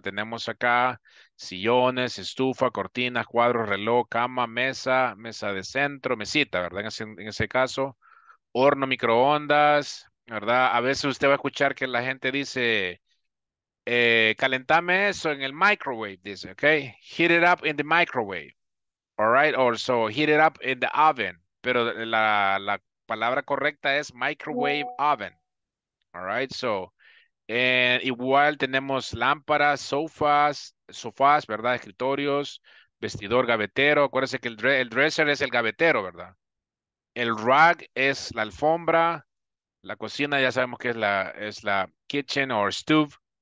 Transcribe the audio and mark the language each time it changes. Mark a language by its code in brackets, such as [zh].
[es] Tenemos acá sillones, estufa, cortinas, cuadros, reloj, cama, mesa, mesa de centro, mesita, ¿verdad? En ese caso, horno, microondas, ¿verdad? A veces usted va a escuchar que la gente dice... calentame eso en el microwave, dice, [en] okay? Heat it up in the microwave, all right? Or so, heat it up in the oven. [es] Pero la palabra correcta es microwave oven. [en] All right, so, [es] igual tenemos lámparas, sofás, ¿verdad? Escritorios, vestidor, gavetero. Acuérdense que el dresser es el gavetero, ¿verdad? El rug es la alfombra. La cocina ya sabemos que es la [en] kitchen or stove.